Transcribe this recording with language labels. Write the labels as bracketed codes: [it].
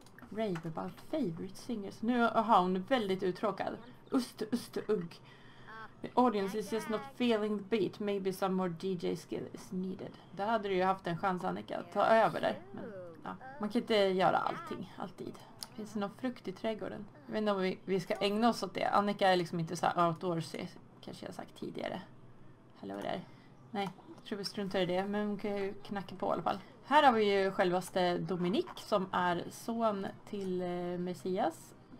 [en] Rave about favorite singers. [sv] Nu har hon väldigt uttråkad. Ugg. [en] The audience is just not feeling the beat. Maybe some more DJ skill is needed. [sv] Där hade du ju haft en chans, Annika, att ta över där. Men, ja. Man kan inte göra allting, alltid. Finns det någon frukt i trädgården? Jag vet inte om vi ska ägna oss åt det. Annika är liksom inte så här outdoorsy, kanske jag sagt tidigare. Hallå där. Nej, jag tror vi struntar i det, men hon kan ju knacka på i alla fall. Här har vi ju självaste Dominic som är son till Messias.